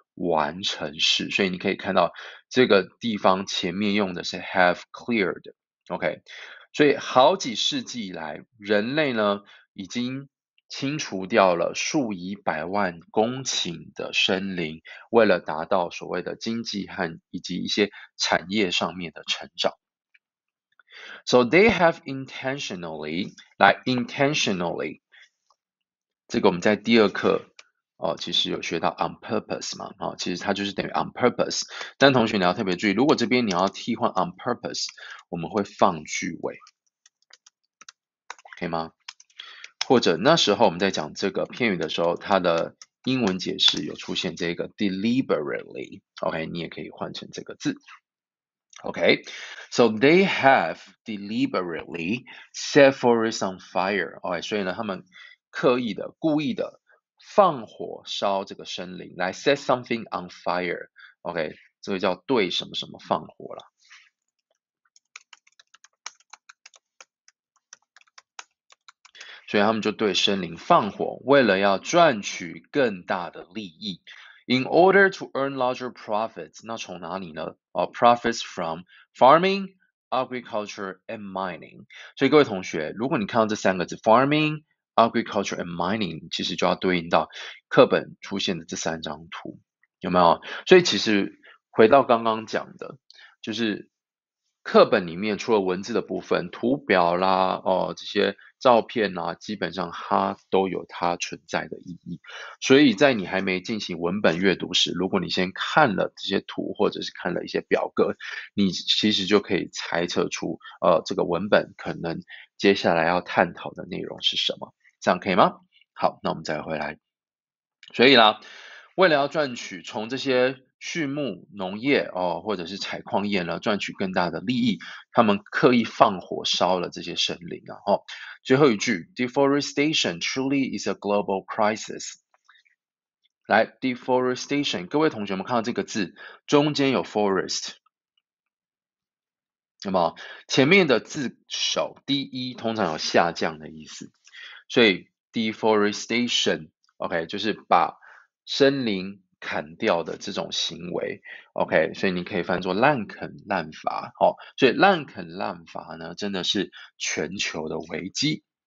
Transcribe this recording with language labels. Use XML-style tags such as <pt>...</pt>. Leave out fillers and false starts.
<zh>完成式，所以你可以看到这个地方前面用的是</zh> <en>have cleared，</en> <zh>OK，所以好几世纪以来，人类呢已经清除掉了数以百万公顷的森林，为了达到所谓的经济和以及一些产业上面的成长。</zh> <en>So they have intentionally，</en> <zh>来</zh> <en>intentionally，</en> <zh>这个我们在第二课。其实有学到</zh> <en>on purpose</en> <zh>嘛，其实它就是等于 on purpose。但同学你要特别注意，如果这边你要替换</zh> <en>on purpose，</en> <zh>我们会放句尾，可以吗？或者那时候我们在讲这个片语的时候，它的英文解释有出现这个 deliberately，OK，你也可以换成这个字，OK。</zh> <en>So they have deliberately set forests on fire，</en> <zh>OK，所以呢，他们刻意的、故意的。放火烧这个森林，来</zh> <en>set something on fire，</en> <zh>OK，这个叫对什么什么放火了。所以他们就对森林放火，为了要赚取更大的利益。</zh> <en>In order to earn larger profits，</en> <zh>那从哪里呢？</zh> <en>Profits from farming, agriculture and mining。</en> <zh>所以各位同学，如果你看到这三个字，farming。</zh> <en>Agriculture and mining</en> <zh>其实就要对应到课本出现的这三张图，有没有？所以其实回到刚刚讲的，就是课本里面除了文字的部分、图表啦、这些照片啦，基本上它都有它存在的意义。所以在你还没进行文本阅读时，如果你先看了这些图或者是看了一些表格，你其实就可以猜测出，这个文本可能接下来要探讨的内容是什么。这样可以吗？好，那我们再回来。所以啦，为了要赚取从这些畜牧农业或者是采矿业呢，赚取更大的利益，他们刻意放火烧了这些森林啊。最后一句，</zh> <en>deforestation truly is a global crisis。</en> <zh>来，deforestation，各位同学们看到这个字，中间有 forest。那么前面的字首 de 通常有下降的意思，所以 deforestation，OK，就是把森林砍掉的这种行为，OK，所以你可以翻作滥垦滥伐，所以滥垦滥伐呢，真的是全球的危机。</zh>